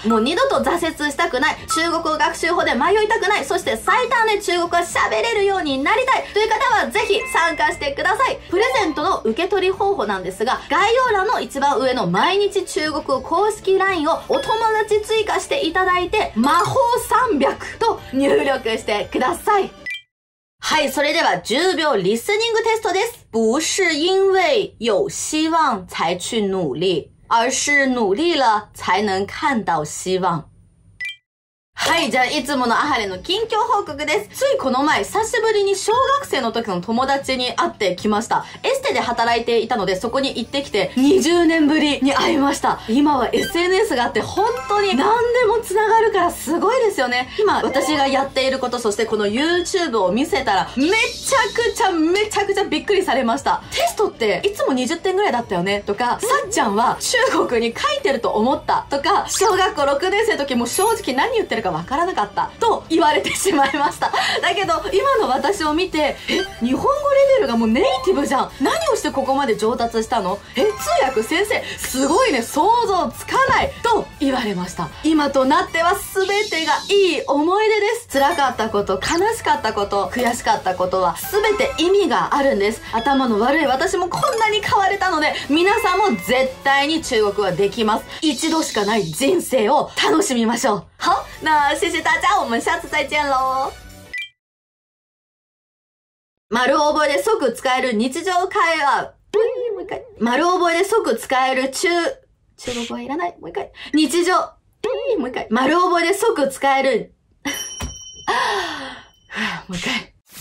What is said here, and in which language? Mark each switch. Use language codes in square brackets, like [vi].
[ja] もう二度と挫折したくない、中国語学習法で迷いたくない、そして最短で中国語は喋れるようになりたいという方はぜひ参加してください。プレゼントの受け取り方法なんですが、概要欄の一番上の毎日中国語公式 LINE をお友達追加していただいて、魔法300と入力してください。はい、それでは10秒リスニングテストです。 [zh] 不是因为有希望才去努力，而是努力了才能看到希望。 [ja] はい、じゃあいつものアハレの近況報告です。ついこの前、久しぶりに小学生の時の友達に会ってきました。エステで働いていたのでそこに行ってきて、20年ぶりに会いました。今は SNS があって本当に何でもつながるからすごいですよね。今私がやっていること、そしてこの YouTube を見せたら、めちゃくちゃめちゃくちゃびっくりされました。テストっていつも20点ぐらいだったよねとか、さっちゃんは中国に書いてると思ったとか、小学校6年生の時も正直何言ってるかわからなかったと言われてしまいました。だけど今の私を見て、日本語レベルがもうネイティブじゃん、何をしてここまで上達したの、通訳先生すごいね、想像つかないと言われました。今となっては全てがいい思い出です。辛かったこと、悲しかったこと、悔しかったことは全て意味があるんです。頭の悪い私もこんなに変われたので、皆さんも絶対に中国はできます。一度しかない人生を楽しみましょう。 [zh] 好，那谢谢大家，我们下次再见喽。 [ja] 丸覚えで即使える日常会話。もう一回。丸覚えで即使える中国語はいらない。もう一回。日常。もう一回。丸覚えで即使える。もう一回。